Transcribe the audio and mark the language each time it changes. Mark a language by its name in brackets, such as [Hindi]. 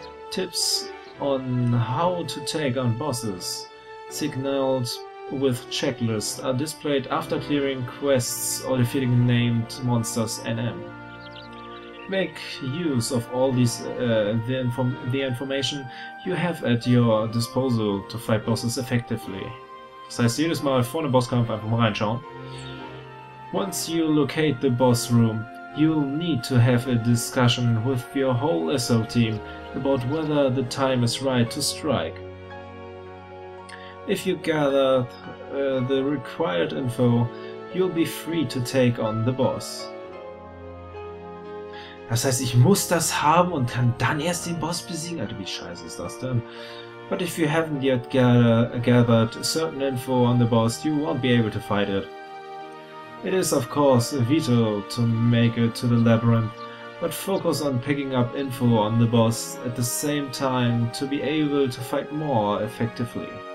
[English] Tips on how to take on bosses, signaled with checklists, are displayed after clearing quests or defeating named monsters NM. Make use of all these the information you have at your disposal to fight bosses effectively. [German] Das heißt, jedes Mal vor einem Bosskampf einfach mal reinschauen. [English] Once you locate the boss room, you'll need to have a discussion with your whole SO team about whether the time is right to strike. If you gather the required info, you'll be free to take on the boss. [German] Das heißt, ich muss das haben und kann dann erst den Boss besiegen? Alter, wie scheiße ist das denn? [English] But if you haven't yet gathered certain info on the boss, you won't be able to fight it. It is, of course, vital to make it to the labyrinth, but focus on picking up info on the boss at the same time to be able to fight more effectively.